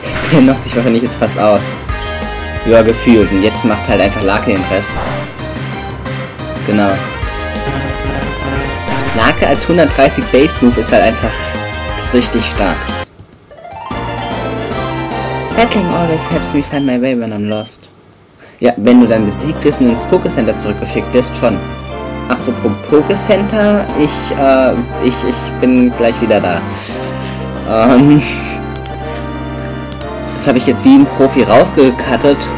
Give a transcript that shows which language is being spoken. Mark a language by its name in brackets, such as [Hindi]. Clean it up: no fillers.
[German] Der macht sich wahrscheinlich jetzt fast aus. Ja, gefühlt. Und jetzt macht halt einfach Lucky den Rest. Genau. Lake als 130 Base Move ist halt einfach richtig stark. [English] Battling always helps me find my way when I'm lost. [German] Ja, wenn du dann besiegt wirst und ins Pokécenter zurückgeschickt wirst, schon. Apropos Pokécenter, ich bin gleich wieder da. Das habe ich jetzt wie ein Profi rausgecuttet.